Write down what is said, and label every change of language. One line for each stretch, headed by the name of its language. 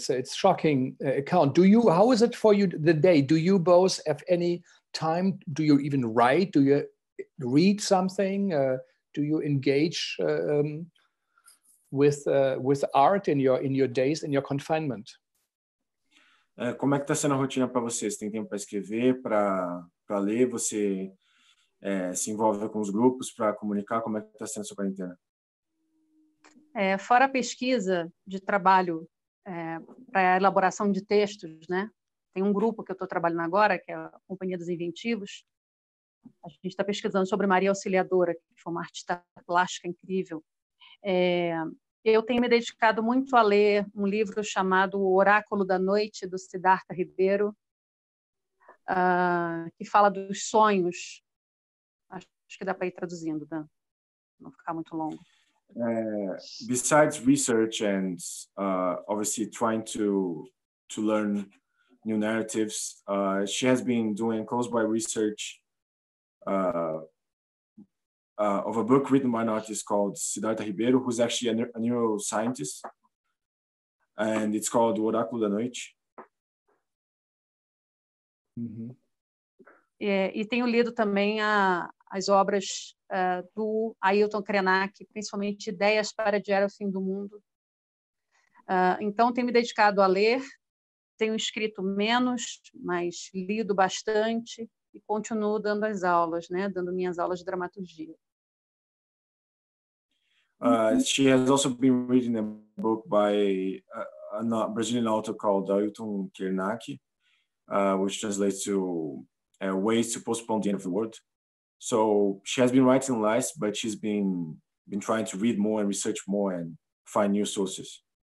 English: It's shocking account. How is it for you the day? Do you both have any time? Do you even write? Do you read something? Do you engage with art in your days, in your confinement?
Portuguese: Como é que está sendo a rotina para você? Você tem tempo para escrever, para ler? Você se envolve com os grupos para comunicar? Como é que está sendo a sua quarentena? Fora a pesquisa de trabalho para a elaboração de textos, né? Tem um grupo que eu estou trabalhando agora, que é a Companhia dos Inventivos. A gente está pesquisando sobre Maria Auxiliadora, que foi uma artista plástica incrível. Eu tenho me dedicado muito a ler um livro chamado O Oráculo da Noite, do Siddhartha Ribeiro, que fala dos sonhos. Acho que dá para ir traduzindo, Dan, não ficar muito longo.
English: Besides research and obviously trying to learn new narratives, she has been doing close by research of a book written by an artist called Siddhartha Ribeiro, who's actually a neuroscientist, and it's called Oráculo da Noite. Uhum.
Portuguese: E tenho lido também as obras do Ailton Krenak, principalmente Ideias para Adiar o Fim do Mundo. Então, tenho me dedicado a ler, tenho escrito menos, mas lido bastante e continuo dando as aulas, né? Dando minhas aulas de dramaturgia.
English: She has also been reading a book by a Brazilian author called Ailton Krenak, which translates to ways to postpone the end of the world. So she has been writing less, but she's been trying to read more and research more and find new sources.